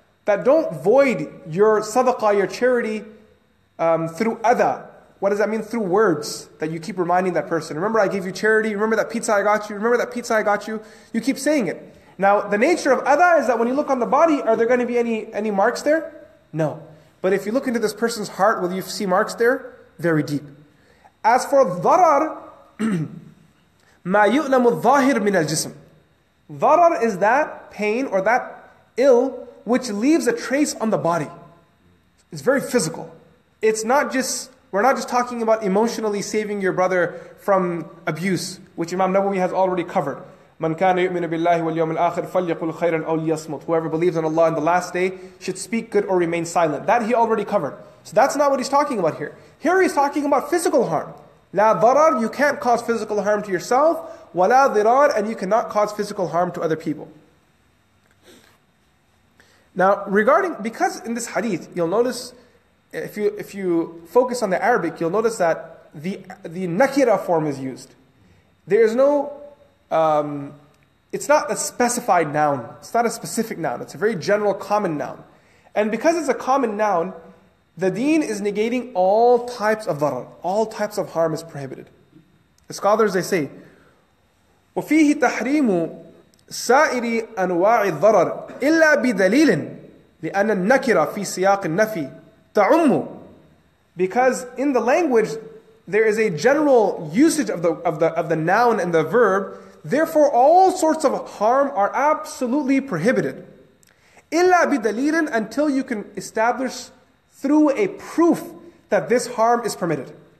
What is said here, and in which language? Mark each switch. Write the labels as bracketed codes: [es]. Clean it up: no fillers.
[en] That don't void your sadaqah, your charity, through adha. What does that mean? Through words that you keep reminding that person. Remember I gave you charity, remember that pizza I got you, remember that pizza I got you. You keep saying it. Now, the nature of adha is that when you look on the body, are there going to be any marks there? No. But if you look into this person's heart, will you see marks there? Very deep. [ar] As for dharar, مَا يُؤْلَمُ الظَّاهِرُ مِنَ الْجِسْمِ. [en] Dharar is that pain or that ill which leaves a trace on the body. It's very physical. It's not just, we're not just talking about emotionally saving your brother from abuse, which Imam Nawawi has already covered. [ar] مَنْ كَانَ يُؤْمِنُ بِاللَّهِ وَالْيَوْمِ الْآخِرِ فَلْيَقُلْ خَيْرًا أَوْ لِيَصْمُتْ. [en] Whoever believes in Allah in the last day should speak good or remain silent. That he already covered. So that's not what he's talking about here. Here he's talking about physical harm. La dharar, you can't cause physical harm to yourself. Wa la dirar, and you cannot cause physical harm to other people. Now, regarding, because in this hadith, you'll notice, if you focus on the Arabic, you'll notice that the nakira form is used. There is no, it's not a specified noun. It's not a specific noun. It's a very general common noun. And because it's a common noun, the deen is negating all types of dharar. All types of harm is prohibited. [ar] The scholars, they say, وَفِيهِ تَحْرِيمُ سَائِرِ أَنْوَاعِ الضَّرَرِ إِلَّا بِدَلِيلٍ لِأَنَّ النَّكِرَ فِي سِيَاقِ النَّفِي تَعُمُّ. [en] Because in the language, there is a general usage of the noun and the verb. Therefore, all sorts of harm are absolutely prohibited. [ar] إِلَّا بِدَلِيلٍ, [en] until you can establish through a proof that this harm is permitted.